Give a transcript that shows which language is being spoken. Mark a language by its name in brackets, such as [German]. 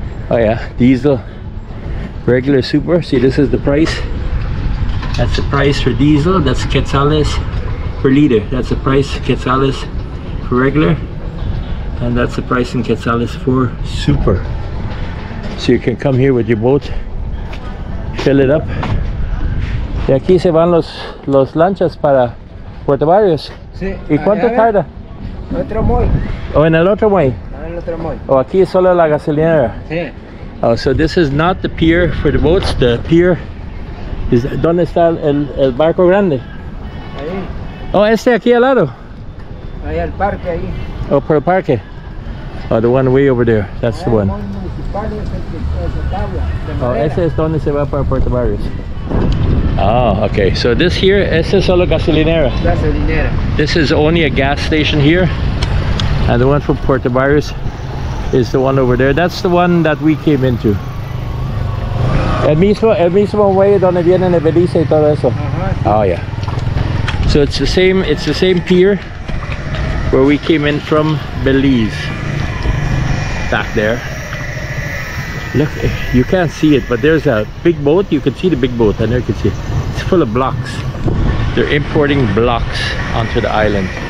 [English] Oh yeah, diesel. Regular super. See, this is the price. That's the price for diesel. That's quetzales per liter. That's the price quetzales for regular. And that's the price in quetzales for super. So you can come here with your boat. Fill it up. [Spanish] Y aquí se van los lanchas para Puerto Barrios. Sí. ¿Y cuánto tarda? Otro muy. ¿O en el otro muy? En el otro muy. ¿O aquí solo la gasolinera? Sí. [English] Oh, so this is not the pier for the boats. The pier is... [Spanish] ¿Dónde está el barco grande? Ahí. Oh, este aquí al lado. Ahí al parque, ahí. Oh, por el parque. [English] Oh, the one way over there. That's [Spanish] allá [English] the one. Oh, [Spanish] ese es donde se va para Puerto Barrios. [English] Oh, okay. So this here, [Spanish] este es solo gasolinera. Gasolinera. [English] This is only a gas station here. And the one from Puerto Barrios is the one over there. That's the one that we came into. [Spanish] El mismo way donde vienen de Belice y todo eso. [English] Uh-huh. Oh, yeah. So it's the same pier where we came in from Belize. Back there. Look, you can't see it, but there's a big boat. You can see the big boat, and there you can see it. It's full of blocks. They're importing blocks onto the island.